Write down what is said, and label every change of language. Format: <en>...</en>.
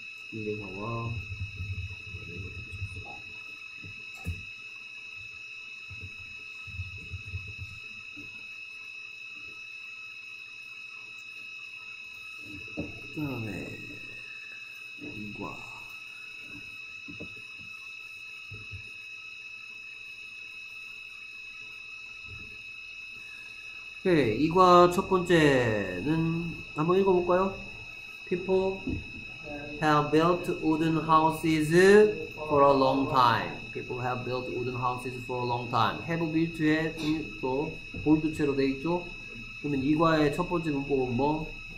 <ko>이래서와 그다음에 인과 네, 이과 첫 번째는 한번 읽어볼까요?</ko> <en>People have built wooden houses for a long time. People have built wooden houses for a long time.</en> <ko>Have built에 또 볼드체로 돼 있죠? 그러면 이과의 첫 번째 문법은 뭐?</ko>